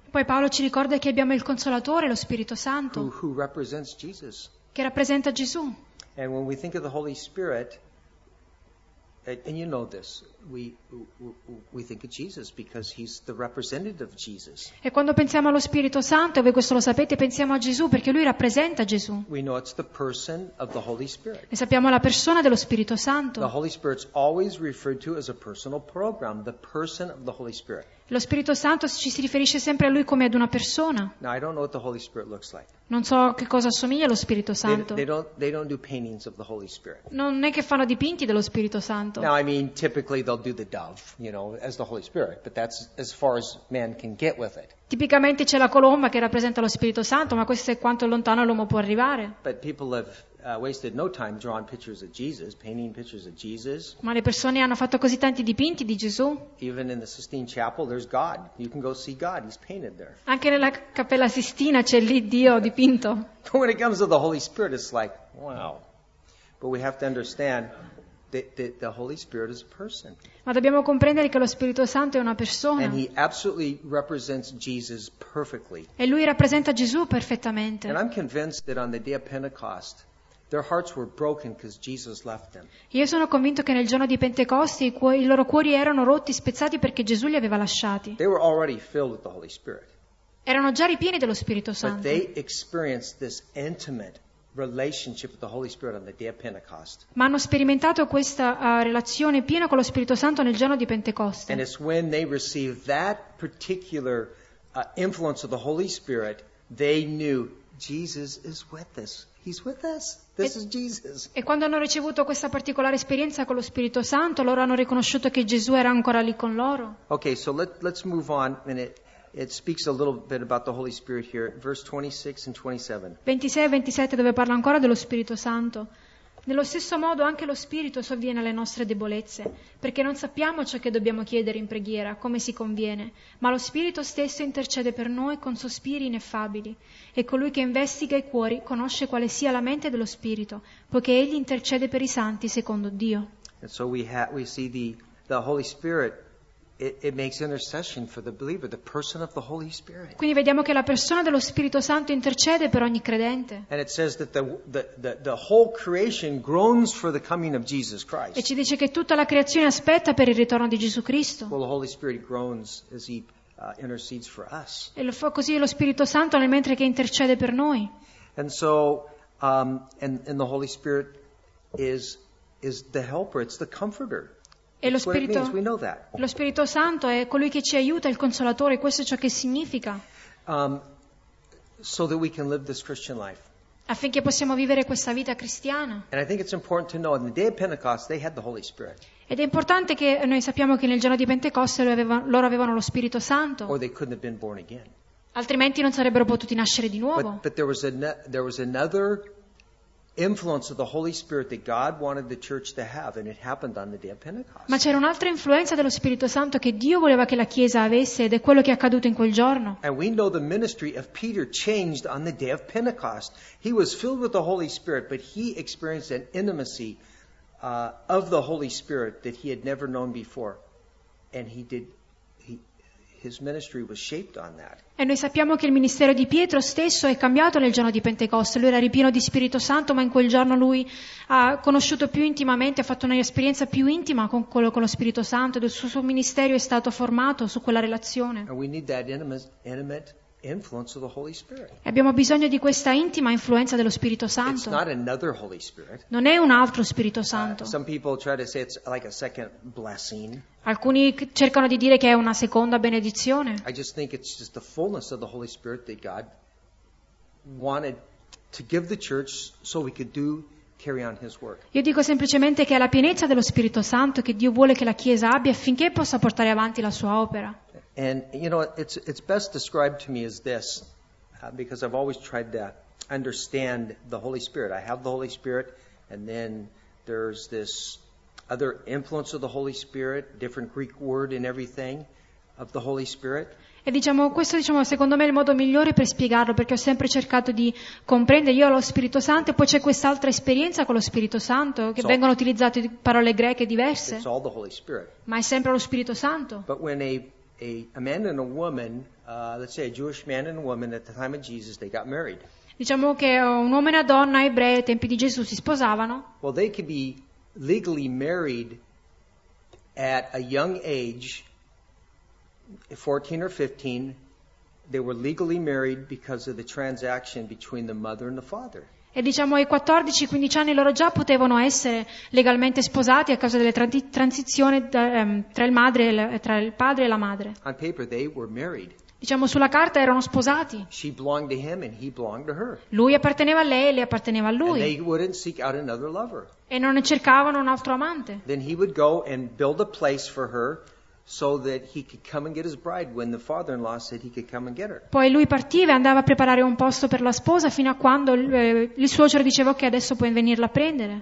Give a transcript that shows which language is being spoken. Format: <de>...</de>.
<it>Poi Paolo ci ricorda che abbiamo il Consolatore, lo Spirito Santo,</it> <en>who represents Jesus.</en> <it>Che rappresenta Gesù.</it> <en>And when we think of the Holy Spirit, and you know this, we think of Jesus because He's the representative of Jesus.</en> <it>E quando pensiamo allo Spirito Santo, voi questo lo sapete, pensiamo a Gesù perché Lui rappresenta Gesù.</it> <en>We know it's the person of the Holy Spirit.</en> <it>E sappiamo la persona dello Spirito Santo.</it> <en>The Holy Spirit's always referred to as a personal program, the person of the Holy Spirit.</en> <it>Lo Spirito Santo ci si riferisce sempre a Lui come ad una persona.</it> <en>Now, I don't know what the Holy Spirit looks like.</en> <it>Non so che cosa assomiglia allo Spirito Santo.</it> <en>They don't do paintings of the Holy Spirit.</en> <it>Non è che fanno dipinti dello Spirito Santo.</it> <en>Now, I mean, typically they'll do the dove, you know, as the Holy Spirit, but that's as far as man can get with it.</en> <it>Tipicamente c'è la colomba che rappresenta lo Spirito Santo, ma questo è quanto lontano l'uomo può arrivare.</it> <en>But people have wasted no time drawing pictures of Jesus, painting pictures of Jesus.</en> <it>Ma le persone hanno fatto così tanti dipinti di Gesù.</it> <en>Even in the Sistine Chapel, there's God. You can go see God. He's painted there.</en> <it>Anche nella Cappella Sistina c'è lì Dio dipinto.</it> <en>But when it comes to the Holy Spirit, it's like, wow. But we have to understand that the Holy Spirit is a person.</en> <it>Ma dobbiamo comprendere che lo Spirito Santo è una persona.</it> <en>And He absolutely represents Jesus perfectly.</en> <it>E Lui rappresenta Gesù perfettamente.</it> <en>And I'm convinced that on the day of Pentecost, their hearts were broken because Jesus left them.</en> <it>Io sono convinto che nel giorno di Pentecoste i loro cuori erano rotti, spezzati perché Gesù li aveva lasciati.</it> <en>They were already filled with the Holy Spirit.</en> <it>Erano già ripieni dello Spirito Santo.</it> <en>But they experienced this intimate relationship with the Holy Spirit on the day of Pentecost.</en> <it>Ma hanno sperimentato questa relazione piena con lo Spirito Santo nel giorno di Pentecoste.</it> <en>And it's when they received that particular influence of the Holy Spirit, they knew Jesus is with us. He's with us. This is Jesus.</en> <it>E quando hanno ricevuto questa particolare esperienza con lo Spirito Santo, loro hanno riconosciuto che Gesù era ancora lì con loro.</it> <en>Okay, so let's move on, and it speaks a little bit about the Holy Spirit here, verse 26 and 27.</en> <it>26 e 27 dove parla ancora dello Spirito Santo. Nello stesso modo anche lo Spirito sovviene alle nostre debolezze, perché non sappiamo ciò che dobbiamo chiedere in preghiera, come si conviene, ma lo Spirito stesso intercede per noi con sospiri ineffabili, e colui che investiga i cuori conosce quale sia la mente dello Spirito, poiché egli intercede per i santi secondo Dio.</it> <en>And so we see the Holy Spirit. It makes intercession for the believer, the person of the Holy Spirit.</en> <it>Quindi vediamo che la persona dello Spirito Santo intercede per ogni credente.</it> <en>And it says that the whole creation groans for the coming of Jesus Christ.</en> <it>E ci dice che tutta la creazione aspetta per il ritorno di Gesù Cristo.</it> <en>Well, the Holy Spirit groans as He intercedes for us.</en> <it>E lo fa così lo Spirito Santo nel mentre che intercede per noi.</it> <en>And so, and the Holy Spirit is the helper, it's the comforter.</en> <it>E lo Spirito Santo è colui che ci aiuta, il Consolatore, questo è ciò che significa.</it> <en>So that we can live this Christian life.</en> <it>Affinché possiamo vivere questa vita cristiana.</it> <en>And I think it's important to know on the day of Pentecost they had the Holy Spirit.</en> <it>Ed è importante che noi sappiamo che nel giorno di Pentecoste loro avevano lo Spirito Santo.</it> <en>Or they couldn't have been born again.</en> <it>Altrimenti non sarebbero potuti nascere di nuovo.</it> <en>But there was another influence of the Holy Spirit that God wanted the church to have, and it happened on the day of Pentecost.</en> <it>Ma c'era un'altra influenza dello Spirito Santo che Dio voleva che la Chiesa avesse, ed è quello che è accaduto in quel giorno.</it> <en>And we know the ministry of Peter changed on the day of Pentecost. He was filled with the Holy Spirit, but he experienced an intimacy of the Holy Spirit that he had never known before, and he did. his ministry was shaped on that.</en> <it>E noi sappiamo che il ministero di Pietro stesso è cambiato nel giorno di Pentecoste. Lui era ripieno di Spirito Santo, ma in quel giorno lui ha conosciuto più intimamente, ha fatto un'esperienza più intima con quello con lo Spirito Santo, ed il suo ministero è stato formato su quella relazione.</it> <en>And we need that intimate influence of the Holy Spirit.</en> <it>E abbiamo bisogno di questa intima influenza dello Spirito Santo.</it> <en>It's not another Holy Spirit.</en> <it>Non è un altro Spirito Santo.</it> <en>Some people try to say it's like a second blessing.</en> <it>Alcuni cercano di dire che è una seconda benedizione.</it> <en>I just think it's just the fullness of the Holy Spirit that God wanted to give the church so we could do carry on his work.</en> <it>Io dico semplicemente che è la pienezza dello Spirito Santo che Dio vuole che la Chiesa abbia affinché possa portare avanti la sua opera.</it> <en>And you know, it's best described to me as this, because I've always tried to understand the Holy Spirit. I have the Holy Spirit, and then there's this other influence of the Holy Spirit, different Greek word and everything of the Holy Spirit.</en> <it>E diciamo, questo diciamo secondo me è il modo migliore per spiegarlo, perché ho sempre cercato di comprendere. Io ho lo Spirito Santo e poi c'è quest'altra esperienza con lo Spirito Santo, che</it> <en>so,</en> <it>vengono utilizzate parole greche diverse.</it> <en>It's all the Holy Spirit.</en> <it>Ma è sempre lo Spirito Santo.</it> <en>But when a man and a woman, let's say a Jewish man and woman at the time of Jesus, they got married.</en> <it>Diciamo che un uomo e una donna ebrei ai tempi di Gesù si sposavano.</it> <en>Well, they could be legally married at a young age, 14 or 15, they were legally married because of the transaction between the mother and the father.</en> <it>E diciamo ai 14-15 anni loro già potevano essere legalmente sposati a causa delle transizioni tra il madre e tra il padre e la madre.</it> <en>On paper they were married.</en> <it>Diciamo sulla carta erano sposati.</it> <en>She belonged to him and he belonged to her.</en> <it>Lui apparteneva a lei e lei apparteneva a lui.</it> <en>And they wouldn't seek out another lover.</en> <it>E non cercavano un altro amante.</it> <en>Then he would go and build a place for her so that he could come and get his bride when the father-in-law said he could come and get her.</en> <it>Poi lui partiva e andava a preparare un posto per la sposa fino a quando il suocero diceva che adesso puoi venirla a prendere.</it>